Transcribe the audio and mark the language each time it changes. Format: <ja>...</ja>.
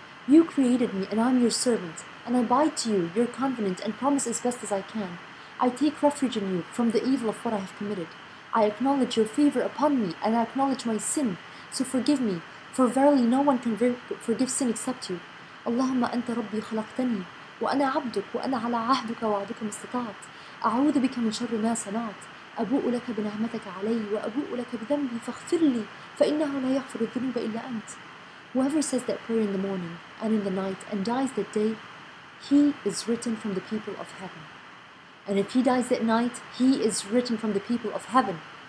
<en>You created me and I'm your servant. And I bide to you, your covenant, and promise as best as I can. I take refuge in you from the evil of what I have committed. I acknowledge your favor upon me and I acknowledge my sin. So forgive me, for verily no one can forgive sin except you.</en> <ar>Allahumma anta rabbi khalaqtani. وأنا عبدك وأنا على عهدك وعدك مستطاعت أعوذ بك من شر ما صنعت أبوء لك بنعمتك علي وأبوء لك بذنبي فاغفر لي فإنه لا يغفر الذنوب إلا أنت.</ar> <en>Whoever says that prayer in the morning and in the night and dies that day, he is written from the people of heaven. And if he dies at night, he is written from the people of heaven.</en>